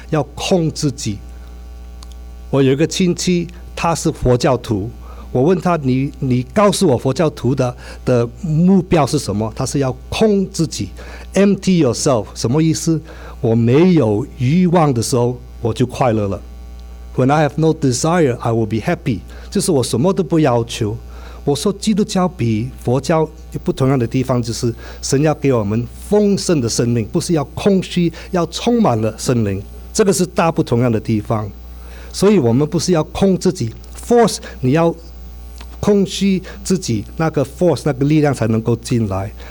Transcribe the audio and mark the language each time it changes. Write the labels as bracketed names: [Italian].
[Chinese] 要控自己。我有一个亲戚，他是佛教徒，我问他， 你告诉我佛教徒 的目标是什么？他是要控自己， [English] empty yourself， [Chinese] 什么意思？我没有欲望的时候我就快乐了。 [English] When I have no desire, I will be happy. [Chinese] 就是我什么都不要求。我说基督教比佛教不同样的地方，就是神要给我们丰盛的生命，不是要空虚，要充满了生灵。这个是大不同样的地方。所以我们不是要控自己， force， 你要空虚自己，那个 force， 那个力量才能够进来。